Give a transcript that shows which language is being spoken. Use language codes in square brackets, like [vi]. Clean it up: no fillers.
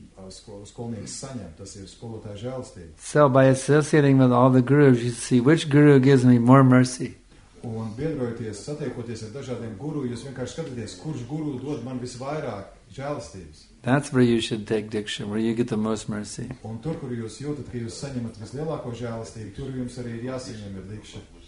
[lv] skolnieks saņem, tas ir skolotāja žēlstība. [en] So by associating with all the gurus, you see which guru gives me more mercy. [lv] Un biedrojoties, satiekoties ar dažādiem guru, jūs vienkārši skatāties, kurš guru dod man visvairāk žēlstības. [en] That's where you should take diction, where you get the most mercy. [lv] Un tur, kur jūs jūtat, ka jūs saņemat vislielāko žēlstību, tur jums arī ir jāsaņem ir dikša.